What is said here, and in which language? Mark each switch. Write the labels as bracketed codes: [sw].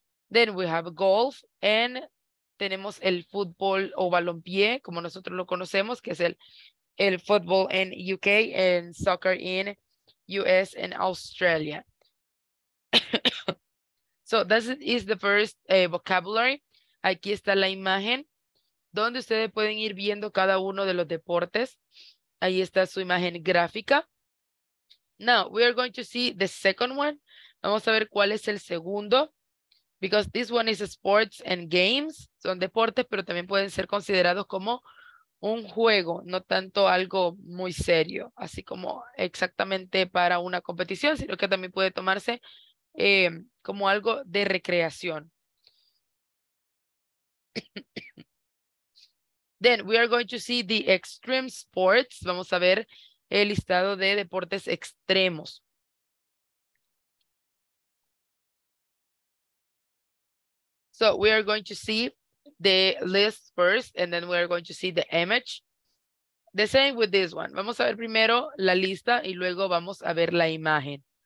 [en] Then we have golf and [es] tenemos el fútbol o balompié, como nosotros lo conocemos, que es el fútbol en UK [en] and soccer in US and Australia. So this is the first vocabulary. [es] Aquí está la imagen donde ustedes pueden ir viendo cada uno de los deportes. Ahí está su imagen gráfica. [en] Now, we are going to see the second one. [es] Vamos a ver cuál es el segundo. [en] Because this one is sports and games. [es] Son deportes, pero también pueden ser considerados como un juego. No tanto algo muy serio. Así como exactamente para una competición. Sino que también puede tomarse como algo de recreación. [en] Then we are going to see the extreme sports. [es] Vamos a ver el listado de deportes extremos. [en] So we are going to see the list first and then we're going to see the image. The same with this one. [es] Vamos a ver primero la lista y luego vamos a ver la imagen.